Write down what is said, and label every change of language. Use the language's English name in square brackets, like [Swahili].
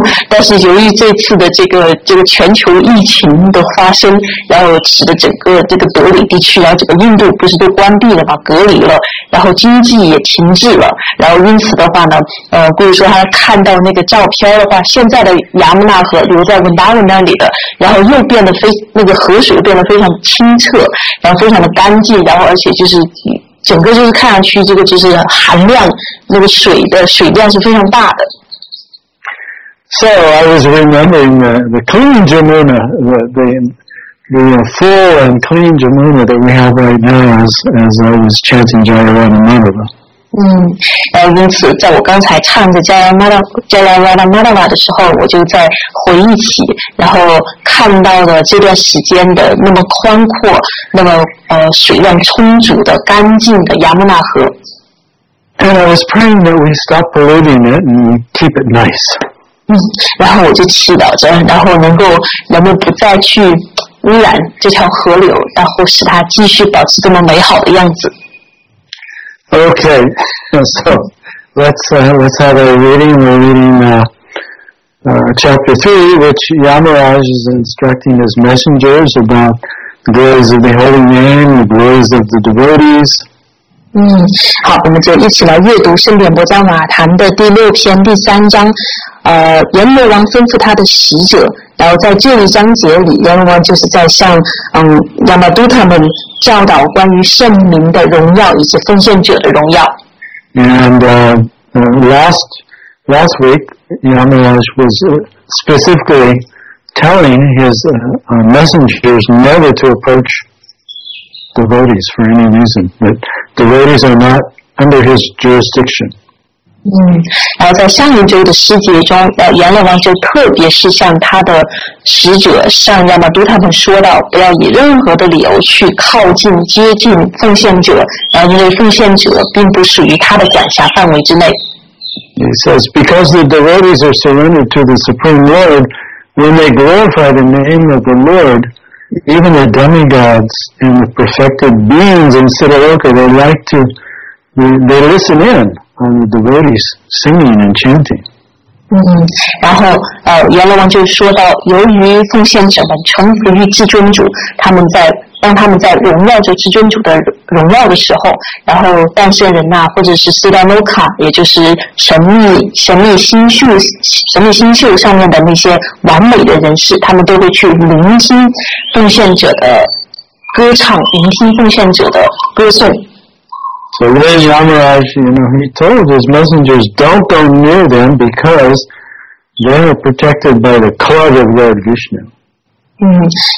[Chinese] 但是由于这次的这个全球疫情的发生，然后使得整个这个德里地区，然后整个印度不是都关闭了嘛，隔离了，然后经济也停滞了，然后因此的话呢，故意说他看到那个照片的话，现在的亚木纳河留在文达文那里的，然后又变得河水变得非常清澈，然后非常的干净，然后而且就是整个就是看上去这个就是含量那个水的水量是非常大的。 [English] So I was remembering the clean Jamuna, the full and clean Jamuna that we have right now as I was chanting Jayavada Madhava. [Chinese] 因此在我刚才唱着 Jayavada Madhava 的时候，我就在回忆起，然后看到了这段时间的那么宽阔，那么水量充足的干净的 Yamuna 河。 [English] And I was praying that we stop polluting it and keep it nice. [Chinese] 然后我就祈祷着，然后能够不再去污染这条河流，然后使它继续保持这么美好的样子。 [English] Okay, so let's have a reading. We're reading chapter 3, which Yamaraj is instructing his messengers about the glories of the holy name, the glories of the devotees. [Chinese] 好，我们就一起来阅读圣典摩迦瓦坛的第六篇第三章。阎罗王吩咐他的使者，然后在这一章节里，阎罗王就是在向亚玛都他们教导关于圣名的荣耀以及奉献者的荣耀。 [English] And last week, Yamaraj was specifically telling his messengers never to approach devotees for any reason, that devotees are not under his jurisdiction. [Chinese] 然后在上一周的师节中，阎罗王就特别是向他的使者上亚玛都他们说到，不要以任何的理由去靠近、接近奉献者，因为奉献者并不属于他的管辖范围之内。 [English] He says, because the devotees are surrendered to the Supreme Lord, when they glorify the name of the Lord, even the demigods and the perfected beings in Siddhaloka, they listen in. On the devotees singing and chanting. [Chinese] 然后阎罗王就说到，由于奉献者们臣服于至尊主，当他们在荣耀着至尊主的荣耀的时候，然后诞生人呐，或者是斯达诺卡，也就是神秘星宿上面的那些完美的人士，他们都会去聆听奉献者的歌唱，聆听奉献者的歌颂。 [English] So then Yamaraj, he told his messengers, don't go near them because they are protected by the club of Lord Vishnu.